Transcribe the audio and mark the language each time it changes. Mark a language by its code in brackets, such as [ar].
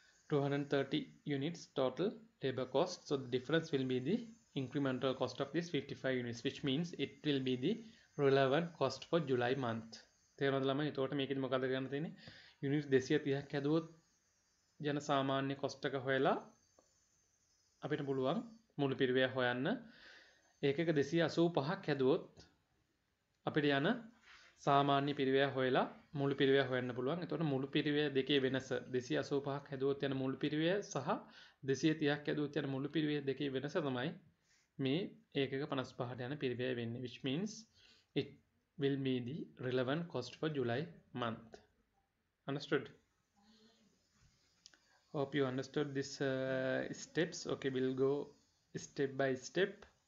[en] 230 units total labor cost so the difference will be the incremental cost of this 55 units which means it will be the relevant cost for July month [si] therunada lama etoṭa meke idi mokada karanna thiyenne units 230k haduwoth jana samanya cost ekak hoyala apita puluwam mulu piriveya hoyanna ekeka 285k haduwoth apita yana සාමාන්‍ය පිරිවැය හොයලා මුළු පිරිවැය හොයන්න පුළුවන්. එතකොට මුළු පිරිවැය දෙකේ වෙනස 285ක් හැදුවොත් යන මුළු පිරිවැය සහ 230ක් හැදුවොත් යන මුළු පිරිවැය දෙකේ වෙනස තමයි මේ ඒකක 55ට යන පිරිවැය වෙන්නේ. [en] Which means it will be the relevant cost for July month. Understood? Hope you understood this steps. Okay, we'll go step by step.